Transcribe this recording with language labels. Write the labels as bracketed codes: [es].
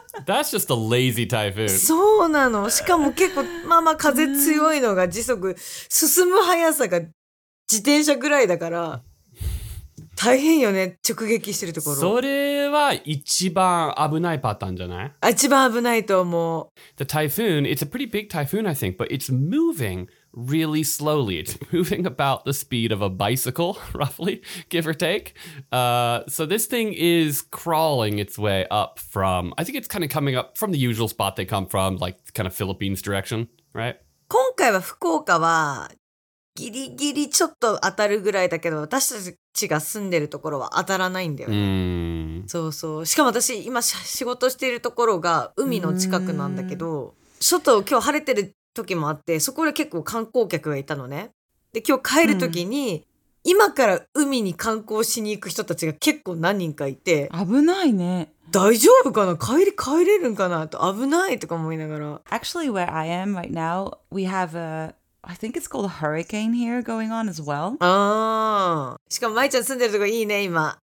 [en] That's just a lazy 台風。 [ja] そうなの。しかも結構まあまあ風強いのが時速進む速さが自転車ぐらいだから大変よね、直撃してるところ。それは一番危ないパターンじゃない？あ、一番危ないと思う。 [en] The typhoon, it's a pretty big typhoon, I think, but it's moving really slowly. It's moving about the speed of a bicycle, roughly, give or take. So this thing is crawling its way up from, I think it's kind of coming up from the usual spot they come from, like kind of Philippines direction, right? [ja] 今回は福岡はギリギリちょっと当たるぐらいだけど、私たちが住んでるところは当たらないんだよね。そうそう、しかも私今仕事しているところが海の近くなんだけど、外今日晴れてる時もあってそこで結構観光客がいたのね。で今日帰る時に、うん、今から海に観光しに行く人たちが結構何人かいて、危ないね、大丈夫かな、帰れるんかなと、危ないとか思いながら。 [en] Actually where I am right now we have aI think it's called a hurricane here going on as well. [ja] Ah, しかもマイちゃん住んでるとこいいね、今。